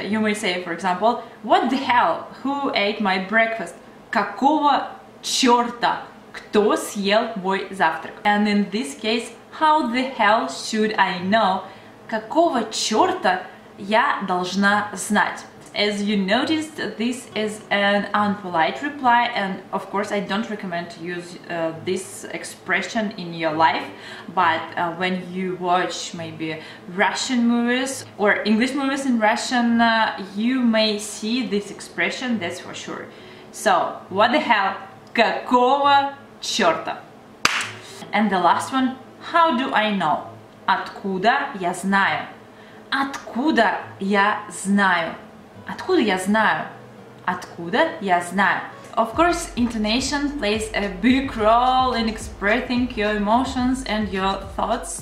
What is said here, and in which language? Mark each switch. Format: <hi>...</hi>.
<en>You may say, for example, what the hell? Who ate my breakfast?</en> <ru>Какого черта? Кто съел мой завтрак?</ru> <en>And in this case, how the hell should I know?</en> <ru>Какого черта я должна знать?</ru> <en>As you noticed, this is an unpolite reply, and of course I don't recommend to use this expression in your life, but when you watch maybe Russian movies or English movies in Russian, you may see this expression, that's for sure. So, what the hell?</en> <ru>Какого черта?</ru> <en>And the last one, how do I know?</en> <ru>Откуда я знаю? Откуда я знаю? Откуда я знаю? Откуда я знаю?</ru> <en>Of course, intonation plays a big role in expressing your emotions and your thoughts.</en>